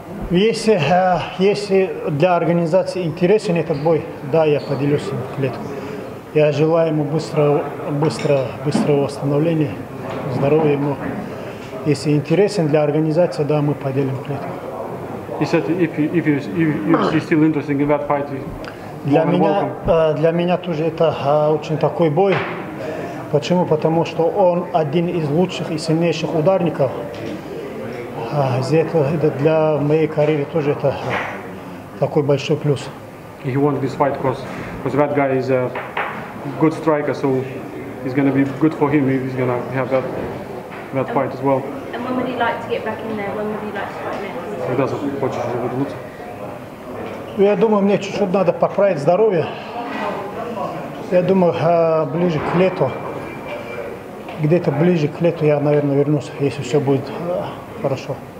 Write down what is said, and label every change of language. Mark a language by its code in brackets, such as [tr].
[ru] Если для организации интересен этот бой, да, я поделюсь им в клетку. Я желаю ему быстрого восстановления, здоровья ему. Если интересен для организации, да, мы поделим клетку. [en] He said, if you're still interested in that fight, [ru] для меня тоже это очень такой бой. Почему? Потому что он один из лучших и сильнейших ударников. Это для моей карьеры тоже это такой большой плюс. [en] He won this fight because that guy is a good striker, so it's gonna be good for him if he's gonna have that fight as well. And when would he like to get back in there? When would he like to fight next? He doesn't. [ru] Хочешь, чтобы лучше? Я думаю, мне чуть-чуть надо поправить здоровье. Я думаю, ближе к лету. Где-то ближе к лету я, наверное, вернусь, если все будет хорошо.